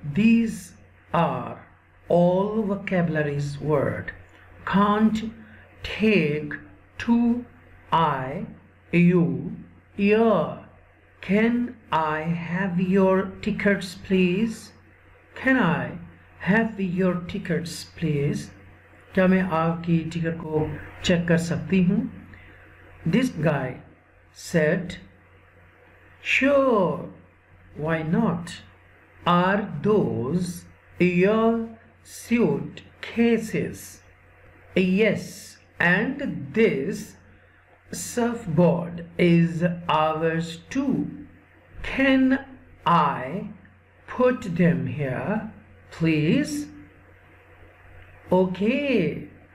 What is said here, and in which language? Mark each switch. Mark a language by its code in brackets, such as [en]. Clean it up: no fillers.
[en] These are all vocabularies word. Can't, take, to, I, you, your. Can I have your tickets, please? Can I have your tickets, please? [ur] کیا میں آپ کی ticket کو check کر سکتی ہوں؟ [en] This guy said, sure, why not? Are those your suitcases? Yes, and this surfboard is ours too. Can I put them here, please? Okay.